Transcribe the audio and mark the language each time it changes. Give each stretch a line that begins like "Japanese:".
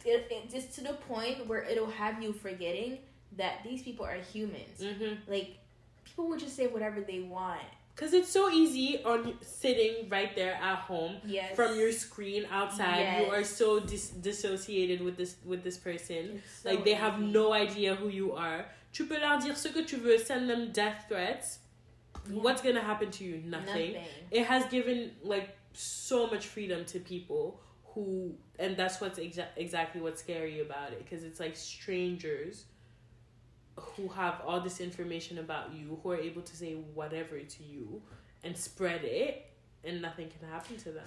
English: It just to the point where it'll have you forgetting that these people are humans. Mm-hmm. Like, people will just say whatever they want. Because it's so easy on sitting right there at home, yes, from your screen outside. Yes. You are so dissociated with this person. It's so, like, they easy. Have no idea who you are.
French: Tu peux leur dire ce que tu veux, send them death threats.
English: Yeah. What's going to happen to you? Nothing. It has given, like, so much freedom to people who... And that's what's exactly what's scary about it. Because it's, like, strangers... who have all this information about you, who are able to say whatever to you and spread it, and nothing can happen to them.